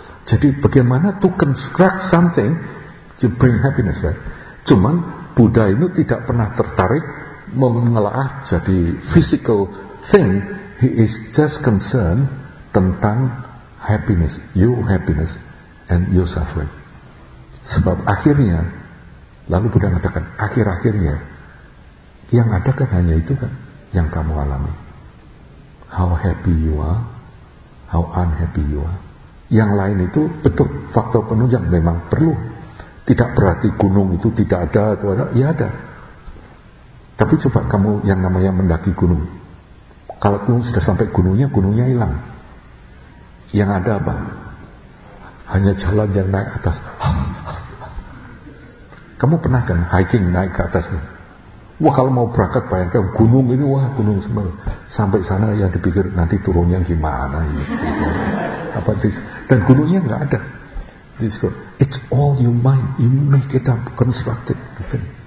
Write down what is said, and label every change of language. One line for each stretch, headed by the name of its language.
Indonesian: Jadi bagaimana
English: to construct something to bring happiness, right?
Indonesian: Cuman Buddha ini tidak pernah tertarik mengelaah jadi
English: physical thing. He is just concerned
Indonesian: tentang
English: happiness, your happiness and your suffering.
Indonesian: Sebab akhirnya, lalu Buddha mengatakan, akhir-akhirnya yang ada kan hanya itu kan yang kamu alami.
English: How happy you are, how unhappy you are.
Indonesian: Yang lain itu betul faktor penunjang, memang perlu. Tidak berarti gunung itu tidak ada atau ada, ya ada. Tapi coba kamu yang namanya mendaki gunung, kalau kamu sudah sampai gunungnya, gunungnya hilang. Yang ada apa? Hanya jalan yang naik atas. Kamu pernah kan hiking naik ke atas? Wah, kalau mau berangkat bayangkan gunung ini, wah gunung semua. Sampai sana yang dipikir nanti turunnya gimana gitu. Apa
English: this?
Indonesian: Dan gunungnya enggak ada.
English: This go. It's all your mind. You make it up, constructed the thing.